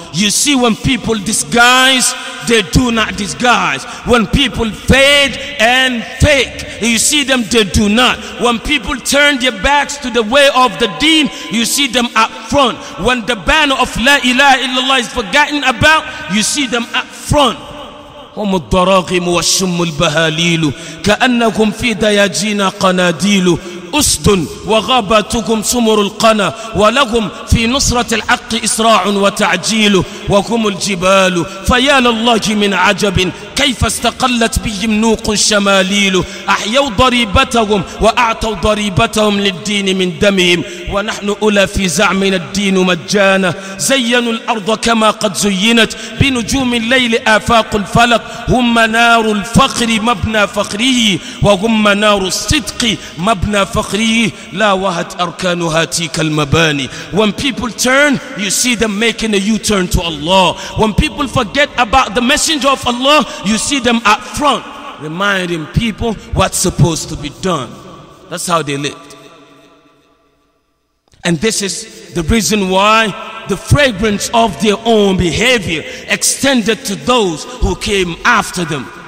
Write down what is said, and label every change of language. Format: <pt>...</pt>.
<en>You see, when people disguise, they do not disguise. When people fade and fake, you see them, they do not. When people turn their backs to the way of the deen, you see them up front. When the banner of La ilaha illallah is forgotten about, you see them up front.</en> <ar>هم الضراغم والشم البهاليل كأنكم في دياجين قناديل أسد وغاباتكم سمر القنا ولهم في نصرة الحق إسراع وتعجيل وهم الجبال فيا لله من عجب كيف استقلت بهم نوق الشماليل أحيوا ضريبتهم وأعطوا ضريبتهم للدين من دمهم ونحن أولى في زعمنا الدين مجانا زينوا الأرض كما قد زينت بنجوم الليل آفاق الفلق هم منار الفقر مبنى فخره وهم منار الصدق مبنى فخره لا وهت أركانها تلك المباني.</ar> <en>When people turn, you see them making a U-turn to Allah. When people forget about the messenger of Allah, you see them up front, reminding people what's supposed to be done. That's how they lived. And this is the reason why the fragrance of their own behavior extended to those who came after them.</en>